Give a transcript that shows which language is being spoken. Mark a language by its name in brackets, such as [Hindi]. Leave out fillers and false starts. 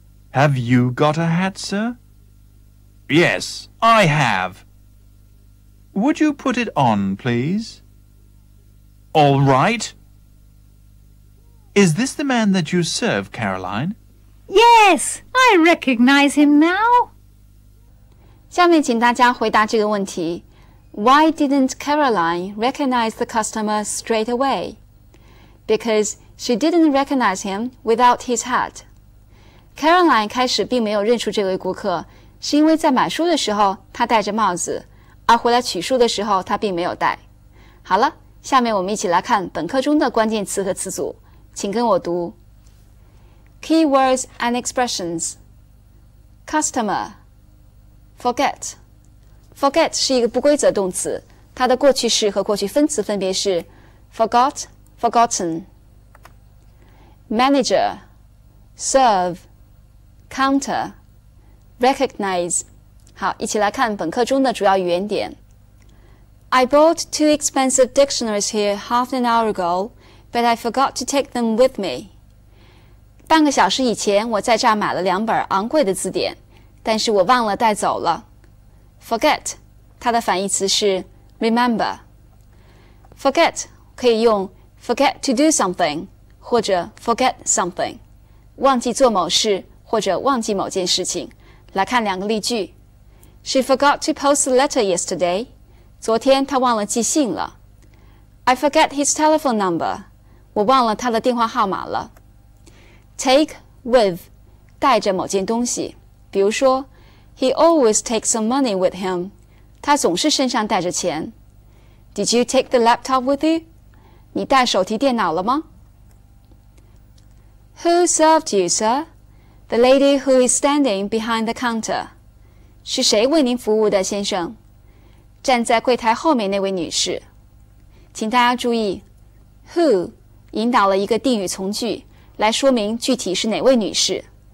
[English] Have you got a hat, sir? Yes, I have. Would you put it on, please? All right. Is this the man that you serve, Caroline? Yes, I recognize him now. [Chinese] 下面请大家回答这个问题。 [English] Why didn't Caroline recognize the customer straight away? Because she didn't recognize him without his hat. [Chinese] Caroline 开始并没有认出这位顾客，是因为在买书的时候他戴着帽子，而回来取书的时候他并没有戴。好了，下面我们一起来看本课中的关键词和词组，请跟我读。 [English] Keywords and expressions. Customer. Forget. [Chinese] Forget 是一个不规则动词，它的过去式和过去分词分别是 forgot, forgotten. [English] Manager. Serve. Counter. Recognize. [Chinese] 好，一起来看本课中的主要语言点。 [English] I bought two expensive dictionaries here half an hour ago, but I forgot to take them with me. [Chinese] 半个小时以前我在这儿买了两本昂贵的字典，但是我忘了带走了。 Forget, 它的反义词是 remember. Forget 可以用 [English] forget to do something [Chinese] 或者 [English] forget something, [Chinese] 忘记做某事或者忘记某件事情。来看两个例句。 [English] She forgot to post the letter yesterday. 昨天她忘了寄信了。 I forget his telephone number. [Chinese] 我忘了他的电话号码了。 Take with, 带着某件东西。比如说 [English] ,He always takes some money with him. [Chinese] 他总是身上带着钱。 [English] Did you take the laptop with you? [Chinese] 你带手提电脑了吗？ [English] Who served you, sir? The lady who is standing behind the counter. [Chinese] 是谁为您服务的，先生？站在柜台后面那位女士。请大家注意 ,Who 引导了一个定语从句。来说明具体是哪位女士。